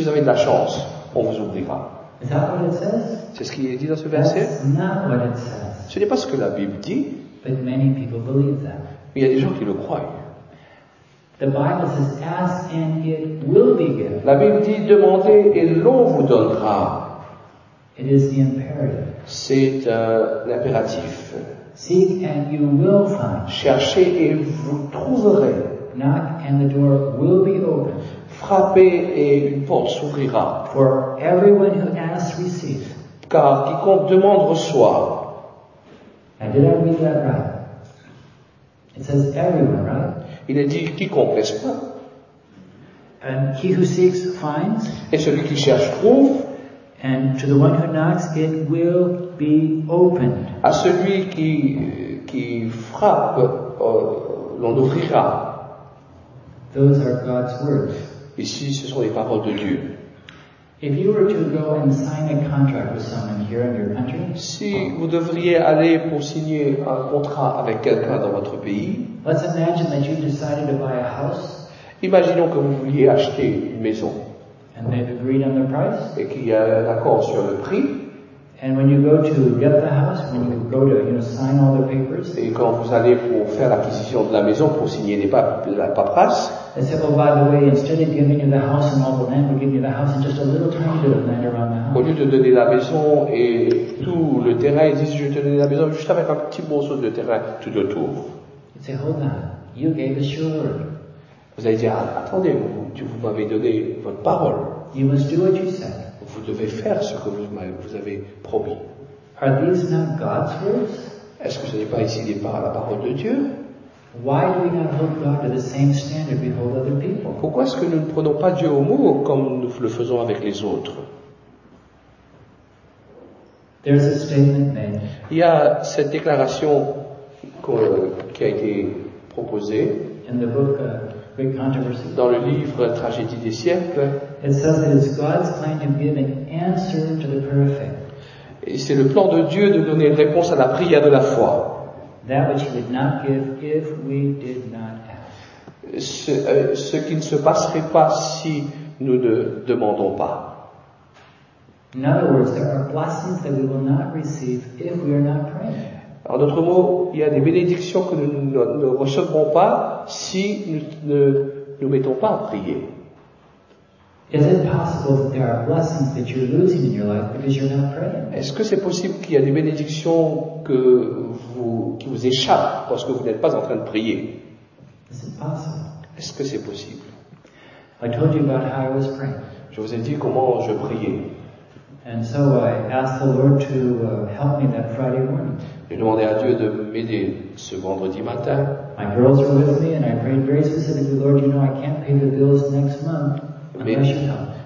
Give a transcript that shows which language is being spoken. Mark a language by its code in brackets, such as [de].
[fr] vous avez de la chance, on vous ouvrira. [en] Is that what it says? [fr] C'est ce qui est dit dans ce verset? [en] That's not what it says. [fr] Ce n'est pas ce que la Bible dit. [en] But many people believe that. [fr] Mais il y a des gens qui le croient. [en] The Bible says, ask and it will be given. [fr] La Bible dit, demandez et l'on vous donnera. [en] It is the imperative. [fr] C'est un impératif. [en] Seek and you will find. [fr] Cherchez et vous trouverez. [en] Knock and the door will be opened. [fr] Frappez et une porte s'ouvrira. [en] For everyone who asks, receive. [fr] Car quiconque demande reçoit. [en] And did I read that right? It says everyone, right? [fr] Il est dit quiconque, n'est-ce pas? [en] And he who seeks finds. [fr] Et celui qui cherche trouve. [en] And to the one who knocks, it will be opened. [fr] À celui qui frappe, l'on ouvrira. [en] Those are God's words. [fr] Ici, ce sont les paroles de Dieu. [en] If you were to go and sign a contract with someone here in your country, [fr] si vous devriez aller pour signer un contrat avec quelqu'un dans votre pays, [en] let's imagine that you decided to buy a house. [fr] Imaginons que vous vouliez acheter une maison. [en] And they've agreed on the price. [fr] Et qu'il y a un accord sur le prix. [en] And when you go to get the house, when you go to, you know, sign all the papers. [fr] Et quand vous allez pour faire l'acquisition de la maison pour signer les paperasses. [en] They said, "Oh, by the way, instead of giving you the house and all the land, we'll give you the house and just a little tiny bit of land around the house." [fr] Au lieu de donner la maison et tout le terrain, ils disent, "Je te donne la maison juste avec un petit morceau de terrain tout autour." [en] You say, "Hold on, you gave us your word." [fr] Vous allez dire, attendez, vous m'avez donné votre parole. [en] You must do what you said. [fr] Vous devez faire ce que vous avez promis. [en] Are these not God's words? [fr] Est-ce que ce n'est pas ici des paroles, la parole de Dieu? [en] Why do we not hold God to the same standard we hold other people? [fr] Pourquoi est-ce que nous ne prenons pas Dieu au mot comme nous le faisons avec les autres? [en] There's a statement made. [fr] Il y a cette déclaration qui a été proposée. [en] In the book, Great Controversy. [fr] Dans le livre Tragédie des siècles, [en] it says that it's God's plan to give an answer to the prayer of faith. [fr] Et c'est le plan de Dieu de donner une réponse à la prière de la foi. [en] That which he would not give if we did not ask. [fr] Ce qui ne se passerait pas si nous ne demandons pas. [en] In other words, there are blessings that we will not receive if we are not praying. [fr] En d'autres mots, il y a des bénédictions que nous ne recevrons pas si nous ne nous mettons pas à prier. [en] Is it possible that there are blessings that you're losing in your life because you're not praying? [fr] Est-ce que c'est possible qu'il y a des bénédictions qui vous échappent parce que vous n'êtes pas en train de prier? [en] Is it possible? [fr] Est-ce que c'est possible? [en] I told you about how I was praying. [fr] Je vous ai dit comment je priais. [en] And so I asked the Lord to help me that Friday morning. [fr] J'ai demandé à Dieu de m'aider ce vendredi matin. [en] My girls were with me and I prayed very specifically, "Lord, you know I can't pay the bills next month unless you help."